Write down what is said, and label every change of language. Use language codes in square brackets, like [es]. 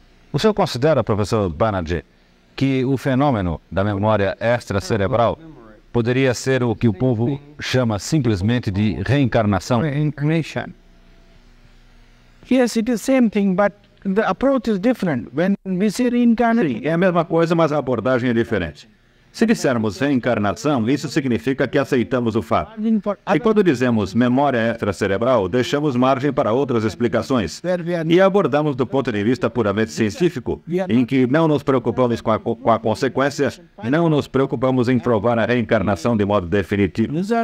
[pt] O senhor considera, professor Banerjee, que o fenômeno da memória extracerebral poderia ser o que o povo chama simplesmente de reencarnação? [en] Yes, it is same thing, but the approach is different. When we say reincarnation, [pt] é a mesma coisa, mas a abordagem é diferente. Se dissermos reencarnação, isso significa que aceitamos o fato. E quando dizemos memória extracerebral, deixamos margem para outras explicações. E abordamos do ponto de vista puramente científico, em que não nos preocupamos com a consequência, não nos preocupamos em provar a reencarnação de modo definitivo.